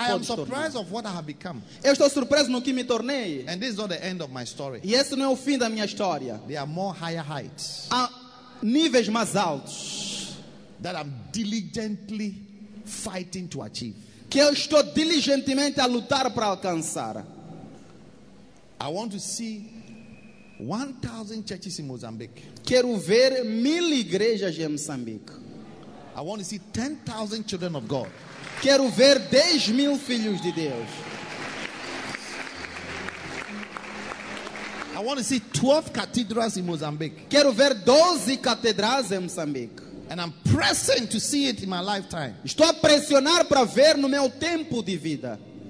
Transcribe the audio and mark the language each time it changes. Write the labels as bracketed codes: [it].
[en] I am surprised of what I have become. [pt] Eu estou surpreso no que me tornei. [en] And this is not the end of my story. [pt] E esse não é o fim da minha história. [en] There are more higher heights. [pt] Há níveis mais altos. [en] That I'm diligently fighting to achieve. [pt] Que eu estou diligentemente a lutar para alcançar. [en] I want to see 1,000 churches in Mozambique. [pt] Quero ver 1,000 igrejas em Moçambique. [en] I want to see 10,000 children of God. [pt] Quero ver 10 mil filhos de Deus. [en] I want to see 12 cathedrals in Mozambique. [pt] Quero ver 12 catedrais em Moçambique. [en] And I'm pressing to see it in my lifetime. [pt] Estou a pressionar para ver no meu tempo de vida.